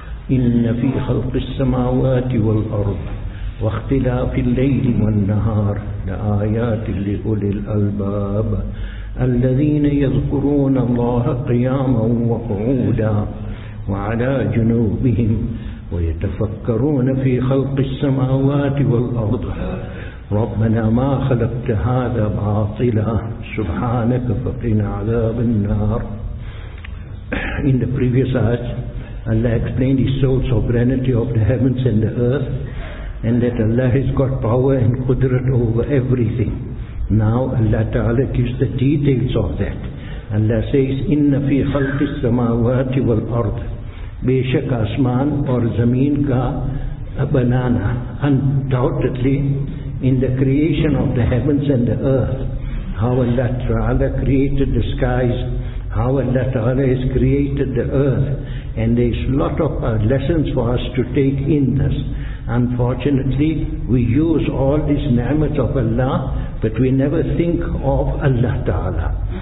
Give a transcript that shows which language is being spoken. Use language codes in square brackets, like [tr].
[ar] إن في خلق السماوات والأرض واختلاف الليل والنهار لآيات لأولي الألباب الذين يذكرون الله قياما وقعودا وعلى جنوبهم ويتفكرون في خلق السماوات والأرض ربنا ما خلقت هذا باطلا سبحانك فقنا عذاب النار. [en] In the previous ayat, Allah explained His sole sovereignty of the heavens and the earth, and that Allah has got power and qudrat over everything. Now Allah Ta'ala gives the details of that. Allah says, [ar] إِنَّ فِي خَلْقِ السَّمَاوَاتِ وَالْأَرْضِ [ur] بِيشَكْ أَسْمَانِ اور زمین کا بنانا. [en] Undoubtedly, in the creation of the heavens and the earth, how Allah Ta'ala created the skies, how Allah Ta'ala has created the earth, and there's a lot of lessons for us to take in this. Unfortunately, we use all these ni'mat of Allah, but we never think of Allah Ta'ala.